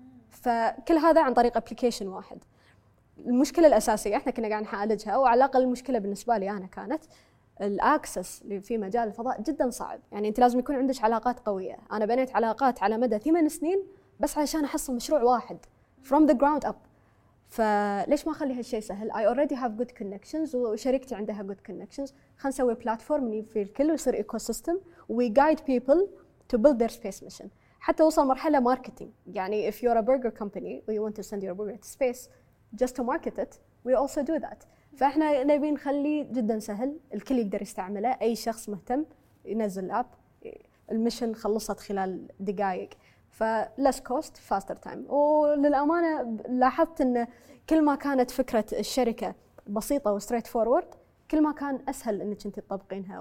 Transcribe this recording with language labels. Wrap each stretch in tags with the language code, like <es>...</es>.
<ar>فكل هذا عن طريق أبليكيشن واحد. المشكلة الأساسية إحنا كنا قاعد نعالجها، وعلى الأقل المشكلة بالنسبة لي أنا كانت الاكسس اللي في مجال الفضاء جدا صعب. يعني انت لازم يكون عندك علاقات قويه. انا بنيت علاقات على مدى 8 سنين بس عشان احصل مشروع واحد</ar> <en>from the ground up.</en> <ar>فليش ما اخلي هالشيء سهل؟</ar> <en>I already have good connections</en> <ar>وشركتي عندها</ar> <en>good connections.</en> <ar>خلينا نسوي بلاتفورم في الكل ويصير</ar> <en>ecosystem we guide people to build their space mission.</en> <ar>حتى وصل مرحلة marketing. يعني</ar> <en>if you're a burger company or you want to send your burger to space just to market it, we also do that.</en> <ar>فاحنا نبي نخلي جدا سهل الكل يقدر يستعمله. اي شخص مهتم ينزل الاب المشن خلصت خلال دقائق.</ar> <en>ف less cost faster time.</en> <ar>وللأمانة لاحظت ان كل ما كانت فكرة الشركة بسيطة و</ar> <en>straight forward</en> <ar>كل ما كان اسهل انك انت تطبقينها.</ar>